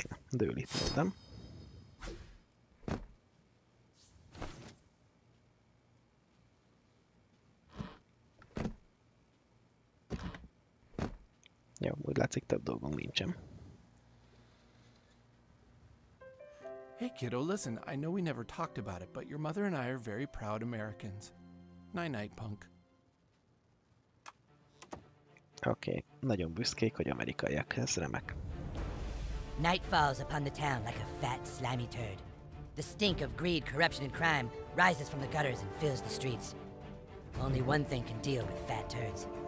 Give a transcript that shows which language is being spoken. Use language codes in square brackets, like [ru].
[hu] Dől itt voltam. Jó, úgy látszik több dolgom nincsen. [en] Hey kiddo, listen, I know we never talked about it, but your mother and I are very proud Americans. Night night, punk. [hu] Okay, nagyon büszkék, hogy amerikaiak, ez remek. [en] Night falls upon the town like a fat, slimy turd. The stink of greed, corruption, and crime rises from the gutters and fills the streets. Only one thing can deal with fat turds.